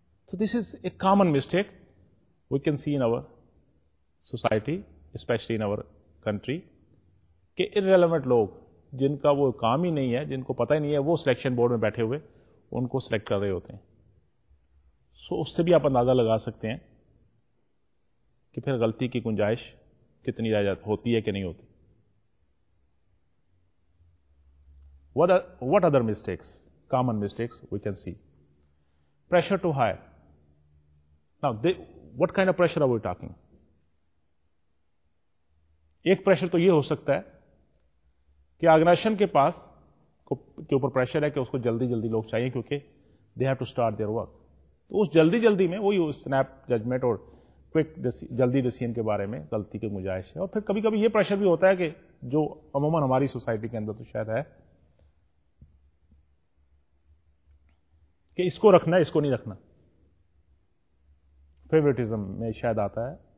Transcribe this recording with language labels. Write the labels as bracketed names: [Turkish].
[Urdu] تو [English] this is a common mistake we can see in our society, especially in our country, [Urdu] کہ انریلیونٹ لوگ جن کا وہ کام ہی نہیں ہے, جن کو پتہ ہی نہیں ہے, وہ سلیکشن بورڈ میں بیٹھے ہوئے ان کو سلیکٹ کر رہے ہوتے ہیں. سو اس سے بھی آپ اندازہ لگا سکتے ہیں کہ پھر غلطی کی گنجائش کتنی رہ جاتی ہوتی ہے کہ نہیں ہوتی. [English] What other mistakes, common mistakes we can see? Pressure to hire. Now, what kind of pressure are we talking? [Urdu] ایک پریشر تو یہ ہو سکتا ہے کہ آرگنائزیشن کے پاس کے اوپر پریشر ہے کہ اس کو جلدی جلدی لوگ چاہیے کیونکہ [English] they have to start their work. [Urdu] تو اس جلدی جلدی میں وہی snap judgment اور جلدی ڈیسیژن کے بارے میں غلطی کی گنجائش ہے. اور پھر کبھی کبھی یہ پریشر بھی ہوتا ہے کہ جو عموماً ہماری سوسائٹی کے اندر تو شاید ہے کہ اس کو رکھنا ہے اس کو نہیں رکھنا, فیورٹزم میں شاید آتا ہے.